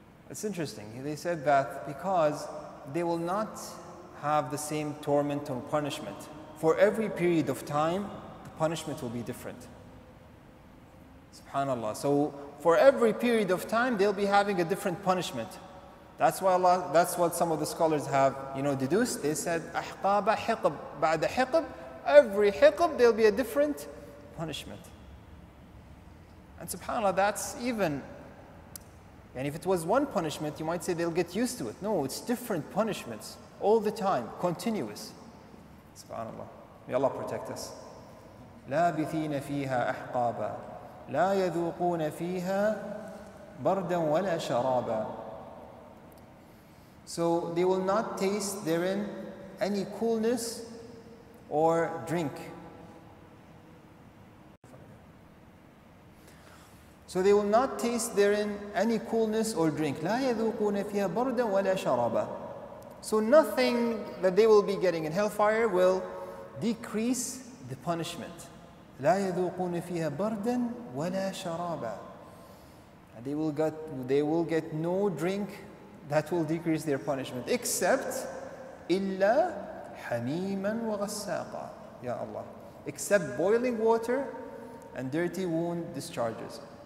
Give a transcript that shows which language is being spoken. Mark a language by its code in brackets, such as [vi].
[en] It's interesting. They said that because they will not have the same torment or punishment. For every period of time, punishment will be different. SubhanAllah. So for every period of time, they'll be having a different punishment. That's why Allah, that's what some of the scholars have, you know, deduced. They said, [ar] أحقاب حقب بعد حقب. [en] Every حقب, there'll be a different punishment. And SubhanAllah, that's even, and if it was one punishment, you might say they'll get used to it. No, it's different punishments all the time, continuous. SubhanAllah. May Allah protect us. [ar] لابثين فيها أحقابا لا يذوقون فيها بردا ولا شرابا. [en] So they will not taste therein any coolness or drink. So they will not taste therein any coolness or drink. [ar] لا يذوقون فيها بردا ولا شرابا. [en] So nothing that they will be getting in hellfire will decrease the punishment. [ar] لا يذوقون فيها بردا ولا شرابا. [en] They will get no drink that will decrease their punishment, except [ar] إلا حميما وغساقا. [en] Ya Allah, except boiling water and dirty wound discharges.